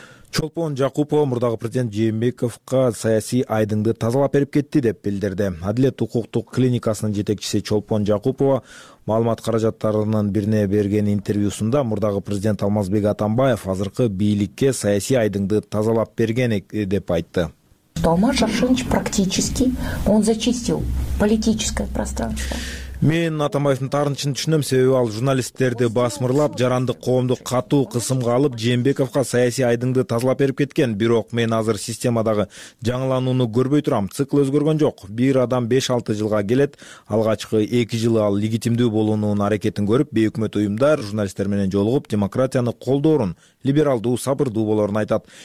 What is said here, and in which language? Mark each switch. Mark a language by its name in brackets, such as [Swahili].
[Kyrgyz] Чолпон Жакупова мурдагы президент Жээнбековго саясий айдыңды тазалап берип кетти деп билдирди. Адилет укуктук клиникасынын жетекчиси Чолпон Жакупова маалымат каражаттарынын бирине берген интервьюсунда мурдагы президент Алмазбек Атамбаев азыркы бийликке саясий айдыңды тазалап берген деп айтты. [Russian] Алмаз Шаршынович практически он зачистил политическое пространство. [Kyrgyz] Мен Атамбаевдин тарынчын түшүнөм, себеби ал журналисттерди басмырлап, жарандык коомду катуу кысымга алып, Жээнбековго саясий айдыңды тазалап берип кеткен. Бирок мен азыр системадагы жаңылууну көрбөй турам. Цикл өзгөргөн жок. Бир адам 5-6 жылга келет. Алгачкы 2 жылы ал легитимдүү болуунун аракетин көрүп, бейөкмөт уюмдар журналисттер менен жолугуп, демократияны колдоорун, либералдуу, сабырдуу болорун айтат.